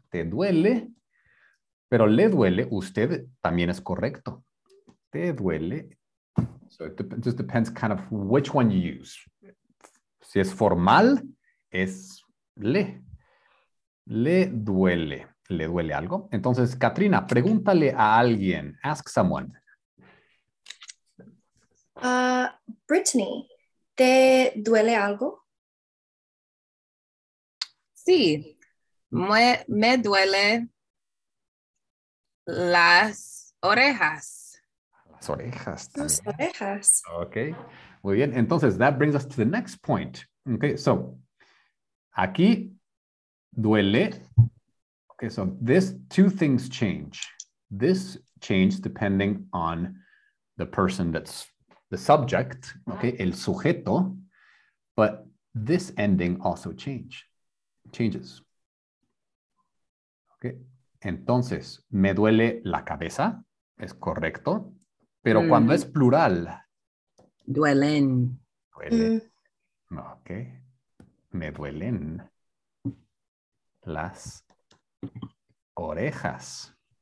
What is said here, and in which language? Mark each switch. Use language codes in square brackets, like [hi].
[es] Te duele, pero le duele, usted también es correcto. Te duele. [en] So it just depends kind of which one you use. [es] Si es formal, es le. Le duele algo. Entonces, Katrina, pregúntale a alguien. Ask someone. Brittany, ¿te duele algo? Sí, me duele las orejas. Las orejas Las también. orejas. Okay. Muy bien. [en] Entonces, that brings us to the next point. Okay. So, aquí duele. Okay. So, these two things change. This change depending on the person that's the subject, okay, el sujeto, but this ending also changes. [es] Okay, entonces, me duele la cabeza, es correcto, pero cuando es plural, Duelen. duele, okay, me duelen las orejas.